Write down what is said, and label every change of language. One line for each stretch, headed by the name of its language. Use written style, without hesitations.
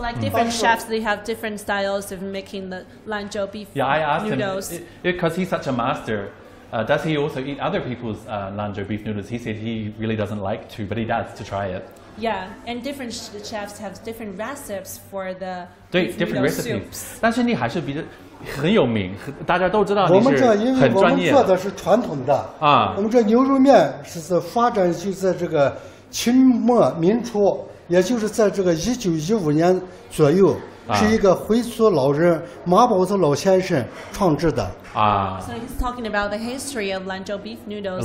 English: like different chefs, they have different styles of making the Lanzhou beef noodles. Yeah, I asked him, because he's such a master, does he also eat other people's Lanzhou beef noodles? He said he really doesn't like to, but he does to try it. Yeah, and different chefs have different recipes for the 对, different
Chinese: recipes,但是你还是很有名,大家都知道你是很专业。我们这牛肉面是发展就在这个清末民初,也就是在这个1915年左右,是一个回族老人,马宝子老先生创制的。
English: So he's talking about the history of Lanzhou beef noodles.